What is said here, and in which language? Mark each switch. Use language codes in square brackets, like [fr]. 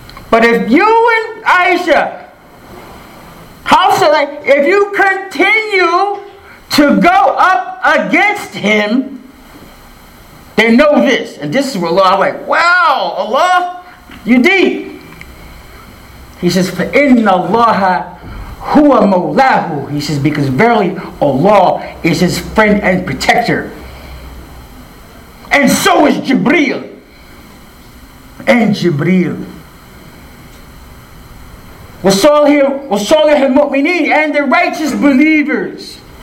[en] But if you and Aisha, how shall I, if you continue to go up against him, then know this. And this is where Allah, I'm like, wow, Allah, you deep. He says, [ar] "فَإِنَّ اللَّهَ هُوَ مَوْلَاهُ." [en] He says, "Because verily Allah is his friend and protector. And so is Jibreel." And Jibreel. [ar] وَصَالِحِ الْمُؤْمِنِينَ, [en] and the righteous believers.